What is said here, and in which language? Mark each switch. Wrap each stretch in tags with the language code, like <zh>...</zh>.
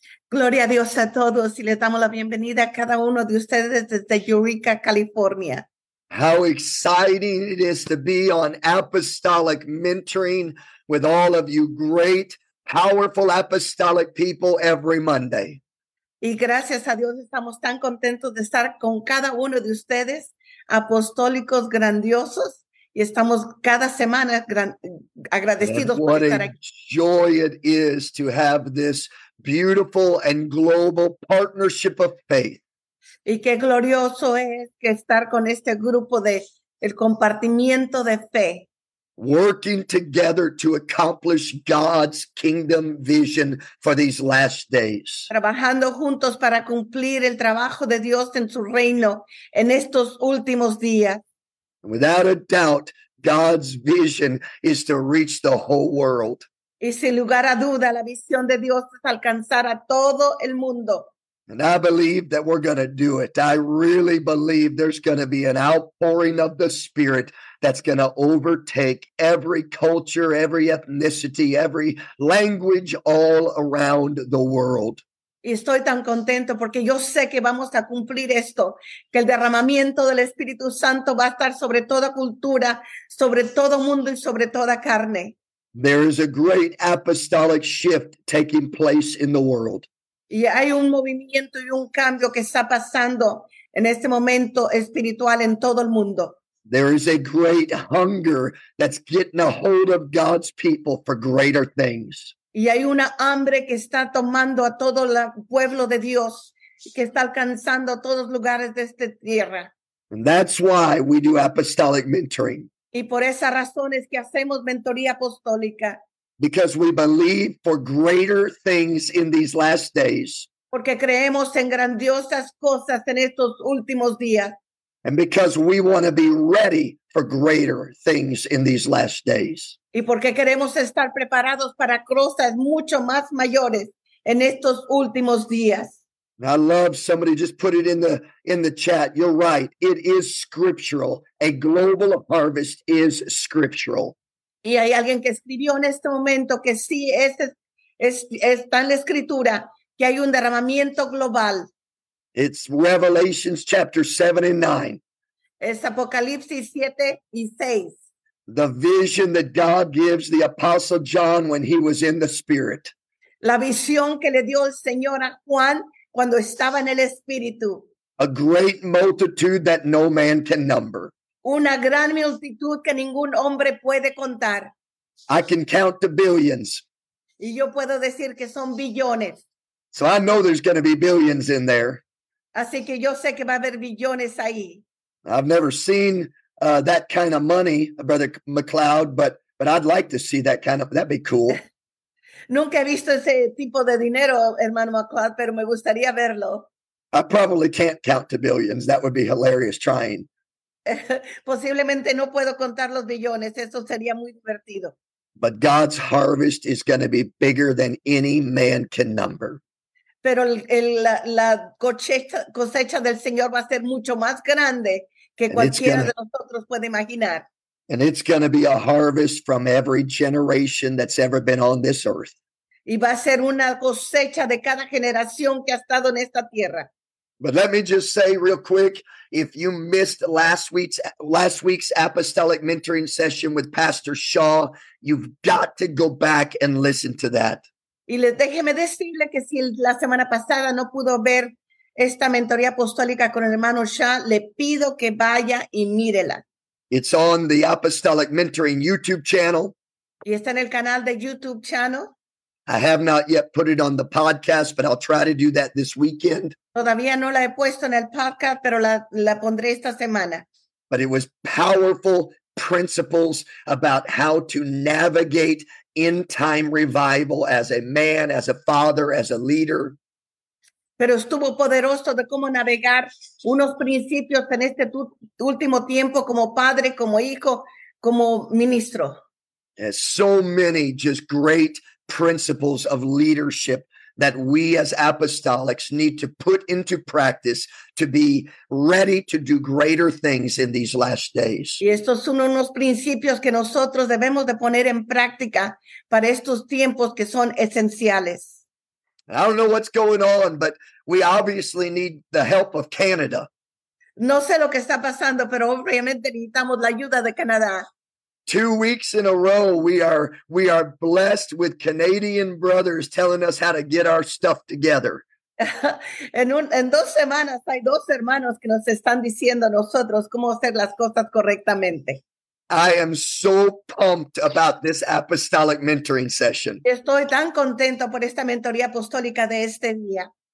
<es>Gloria a Dios a todos, y le damos la bienvenida a cada uno de ustedes desde Eureka, California.</es> <en>How exciting it is to be on Apostolic Mentoring with all of you great, powerful apostolic people every Monday.</en> <es>Y gracias a Dios, estamos tan contentos de estar con cada uno de ustedes. Apostólicos grandiosos, y estamos cada semana agradecidos por estar aquí.</es> <en>What a joy it is to have this beautiful and global partnership of faith.</en> <es>Y qué glorioso es que estar con este grupo de el compartimiento de fe.</es> <en>Working together to accomplish God's kingdom vision for these last days.</en> <es>Trabajando juntos para cumplir el trabajo de Dios en su reino en estos últimos días.</es> <en>Without a doubt, God's vision is to reach the whole world.</en> <es>Y sin lugar a duda, la visión de Dios es alcanzar a todo el mundo.</es> <en>And I believe that we're going to do it. I really believe there's going to be an outpouring of the Spirit that's going to overtake every culture, every ethnicity, every language all around the world.</en> <es>Y estoy tan contento porque yo sé que vamos a cumplir esto, que el derramamiento del Espíritu Santo va a estar sobre toda cultura, sobre todo mundo y sobre toda carne.</es> <en>There is a great apostolic shift taking place in the world.</en> <es>Y hay un movimiento y un cambio que está pasando en este momento espiritual en todo el mundo.</es> <en>There is a great hunger that's getting a hold of God's people for greater things.</en> <es>Y hay una hambre que está tomando a todo el pueblo de Dios, que está alcanzando a todos lugares de esta tierra.</es> <en>And that's why we do apostolic mentoring.</en> <es>Y por esa razón es que hacemos mentoría apostólica.</es> <en>Because we believe for greater things in these last days.</en> <es>Porque creemos en grandiosas cosas en estos últimos días.</es> <en>And because we want to be ready for greater things in these last days.</en> <es>Y porque queremos estar preparados para cosas mucho más mayores en estos últimos días.</es> <en>And I love somebody just put it in the chat. You're right. It is scriptural. A global harvest is scriptural.</en> <es>Y hay alguien que escribió en este momento que sí, está en la escritura, que hay un derramamiento global.</es> <en>It's Revelations chapter 7 and 9.</en> <es>Es Apocalipsis 7 y 6.</es> <en>The vision that God gives the Apostle John when he was in the Spirit.</en> <es>La visión que le dio el Señor a Juan cuando estaba en el Espíritu.</es> <en>A great multitude that no man can number.</en> <es>Una gran multitud que ningún hombre puede contar.</es> <en>I can count the billions.</en> <es>Y yo puedo decir que son billones.</es> <en>So I know there's going to be billions in there.</en> <es>Así que yo sé que va a haber billones ahí.</es> <en>I've never seen that kind of money, Brother McLeod, but I'd like to see that kind of, that'd be cool.</en> <es>Nunca he visto ese tipo de dinero, hermano McLeod, pero me gustaría verlo.</es> <en>I probably can't count to billions. That would be hilarious trying.</en> <es>Posiblemente no puedo contar los billones, eso sería muy divertido.</es> <en>But God's harvest is going to be bigger than any man can number.</en> <es>Pero la cosecha del Señor va a ser mucho más grande que cualquiera de nosotros puede imaginar.</es> <en>And it's going to be a harvest from every generation that's ever been on this earth.</en> <es>y va a ser una cosecha de cada generación que ha estado en esta tierra.</es> <en>But let me just say real quick, if you missed last week's apostolic mentoring session with Pastor Shaw, you've got to go back and listen to that.</en> <es>Y les déjeme decirle que si la semana pasada no pudo ver esta mentoría apostólica con el hermano Shaw, le pido que vaya y mírela.</es> <en>It's on the Apostolic Mentoring YouTube channel.</en> <es>Y está en el canal de YouTube channel.</es> <en>I have not yet put it on the podcast, but I'll try to do that this weekend.</en> <es>Todavía no la he puesto en el podcast, pero la pondré esta semana.</es> <en>But it was powerful principles about how to navigate end time revival as a man, as a father, as a leader.</en> <es>Pero estuvo poderoso de cómo navegar unos principios en este último tiempo como padre, como hijo, como ministro.</es> <en>There's so many just great principles of leadership that we as apostolics need to put into practice to be ready to do greater things in these last days.</en> <es>Y estos son unos principios que nosotros debemos de poner en práctica para estos tiempos que son esenciales.</es> <en>I don't know what's going on, but we obviously need the help of Canada.</en> <es>No sé lo que está pasando, pero obviamente necesitamos la ayuda de Canadá.</es> <en>2 weeks in a row, we are blessed with Canadian brothers telling us how to get our stuff together.</en> <es>En dos semanas hay dos hermanos que nos están diciendo a nosotros cómo hacer las cosas correctamente.</es> <en>I am so pumped about this apostolic mentoring session.</en> <es>Estoy tan contento por esta mentoría apostólica de este día.</es>